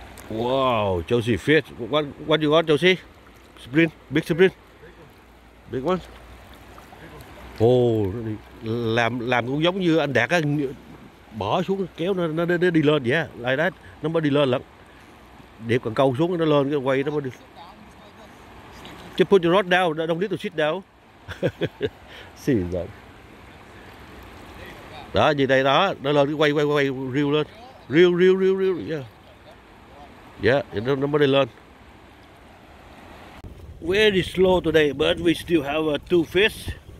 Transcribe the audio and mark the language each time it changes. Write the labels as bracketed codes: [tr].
[en] Wow, Josie fish. What you got, Josie? Sprint, big sprint. Big one. [vi] Oh, làm cũng giống như anh Đạt á, bỏ xuống kéo nó đi lên vậy. [en] Yeah, like that, [vi] nó mới đi lên lận. Để còn câu xuống nó lên cái quay nó mới được. [en] Just put your rod down, don't need to sit down. [vi] Xin rồi. Đó, nhìn đây đó, nó lên cái quay reel lên. [en] Reel, yeah. Yeah, [vi] nó mới đi lên. [en] Very slow today, but we still have two fish.